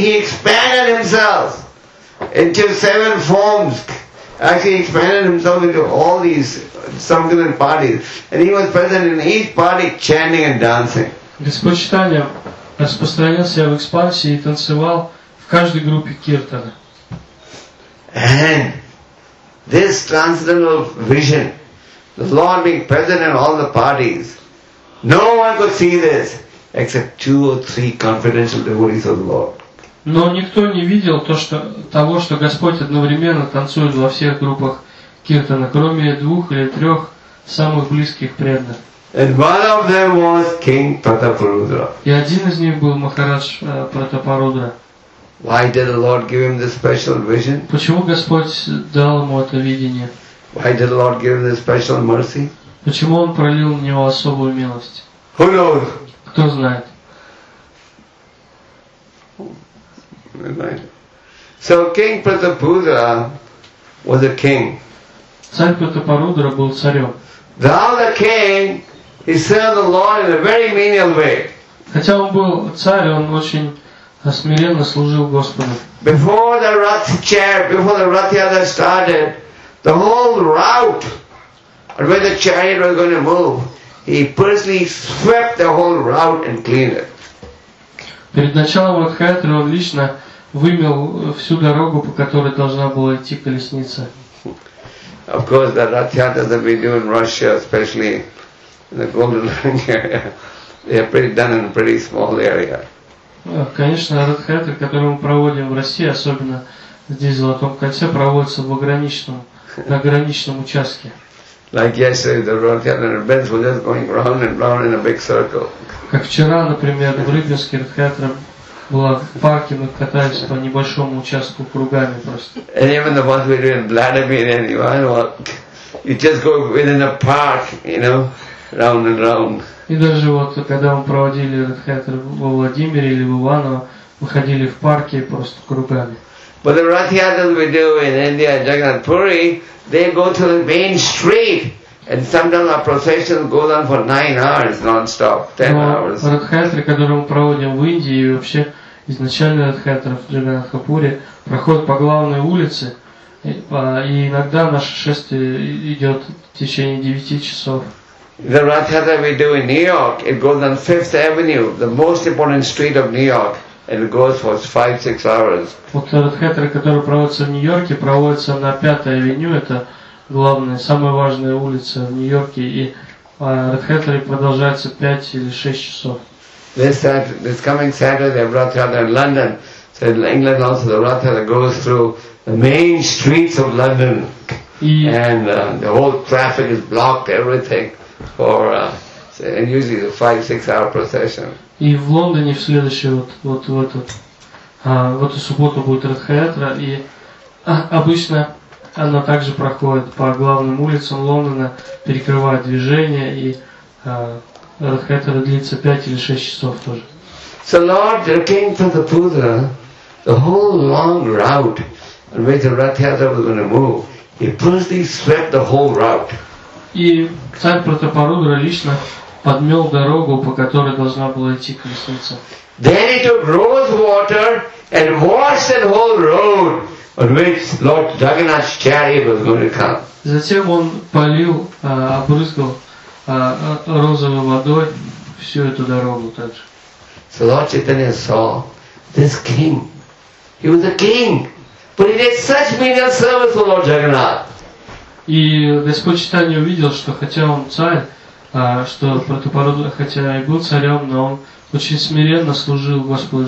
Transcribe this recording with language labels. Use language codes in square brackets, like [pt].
[en] He expanded himself into 7 forms. Actually, he expanded himself into all these sankirtan parties, and he was present in each party, chanting and dancing. [ru] Господь Чайтанья распространялся в экспансии и танцевал в каждой группе киртана. [en] And this transcendental vision, the Lord being present in all the parties, no one could see this except 2 or 3 confidential devotees of the Lord. [ru] Но никто не видел того, что Господь одновременно танцует во всех группах киртана, кроме 2 или 3 самых близких преданных. [en] And one of them was King Prataparudra. [ru] И один из них был Махарадж Пратапарудра. [en] Why did the Lord give him this special vision? [ru] Почему Господь дал ему это видение? [en] Why did the Lord give him this special mercy? [ru] Почему он пролил на него особую милость? [en] Who knows? [ru] Кто знает? [en] So King Prataparudra was a king. [ru] Царь Пратапарудра был царем. [en] Though the king, he served the Lord in a very menial way. [ru] Хотя он был царь, он очень смиренно служил Господу. [en] Before the Rath Yatra started, the whole route and where the chariot was going to move, he personally swept the whole route and cleaned it. [ru] Перед началом Радхаятры он лично вымел всю дорогу, по которой должна была идти колесница. [en] Of course, the Radhyatra that we do in Russia, especially in the Golden Ring area, they are pretty done in a pretty small area. [ru] Конечно, Радхаятры, которые мы проводим в России, особенно здесь, в Золотом кольце, проводятся в ограниченном, на ограниченном участке. [en] Like yesterday, the Radhyatra and Benz were just going round and round in a big circle. [ru] Как вчера, например, в Рыбинске Радхаятра была в парке, мы катались по небольшому участку кругами просто. [en] And even the ones we do in Vladimir and Ivanovo, you just go within a park, you know, round and round. [ru] И даже вот, когда мы проводили Радхаятра во Владимире или в Иваново, мы ходили в парке просто кругами. [en] But the Radhyatras we do in India and Jagannath Puri, they go to the main street, and sometimes our procession goes on for 9 hours non-stop, 10 hours. [ru] Но Радхаятры, которые мы проводим в Индии, и вообще изначально Радхаятры в Джаганатхапуре, проходят по главной улице, и иногда наше шествие идет в течение 9 часов. [en] The Radhyatra we do in New York, it goes on 5th Avenue, the most important street of New York. And it goes for 5-6 hours. [ru] Вот Радхаятры, которые проводятся в Нью-Йорке, проводятся на 5-й авеню, это главная, самая важная улица в Нью-Йорке, и Радхаятры продолжаются 5 или 6 часов. [en] This coming Saturday, Radhaya in London, so in England also the Radhaya goes through the main streets of London, and the whole traffic is blocked, everything, for usually the 5-6 hour procession. [ru] И в Лондоне в следующую в эту субботу будет Радхаятра, и обычно она также проходит по главным улицам Лондона, перекрывая движение, и Радхаятра длится 5 или 6 часов тоже. [en] So Lord King Tathaputra, the whole long route on which Radhaya was going to move, he personally swept the whole route. [ru] И царь Пратапарудра лично подмел дорогу, по которой должна была идти колесница. [en] Then he took rose water and washed the whole road on which Lord Jagannath's chariot was going to come. [ru] Затем он полил, обрызгал розовой водой всю эту дорогу также. [en] So Lord Chaitanya saw this king. He was a king, but he did such menial service for Lord Jagannath. [ru] И Господь Чайтанья увидел, что хотя он царь, что Пратапарудра, хотя и был царем, но он очень смиренно служил Господу